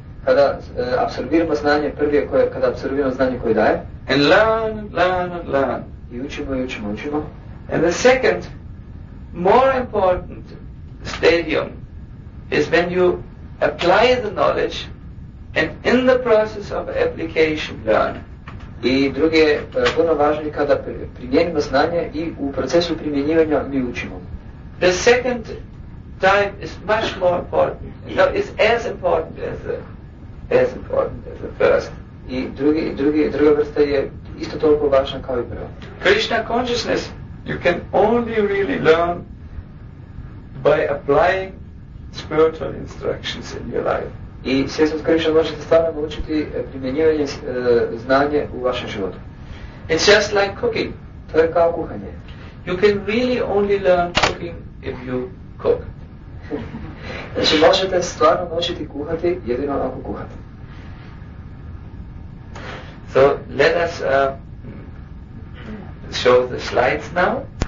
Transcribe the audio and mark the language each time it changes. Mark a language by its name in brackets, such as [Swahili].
[Bosnian] Kada apsorbiramo znanje, prvi je koje, kada apsorbiramo znanje koje daje. [English] And learn, learn, and learn. [Bosnian] I učimo, i učimo, učimo. [English] And the second, more important stadium is when you apply the knowledge and in the process of application learn. [Bosnian] I drugi je puno važniji kada primjenimo znanje i u procesu primjenjivanja mi učimo. [English] The second time is much more important. No, it's as important as the first. [Bosnian] I druga vrsta je isto toliko važna kao i prva. [English] Krishna consciousness you can only really learn by applying spiritual instructions in your life. [Bosnian] I svjesnost Krishna možete stvarno naučiti primjenjivanje znanja u vašem životu. [English] It's just like cooking. [Bosnian] To je kao kuhanje. [English] You can really only learn cooking if you cook. [Bosnian] Znači možete stvarno naučiti kuhati jedino ako kuhate. [English] So let us show the slides now.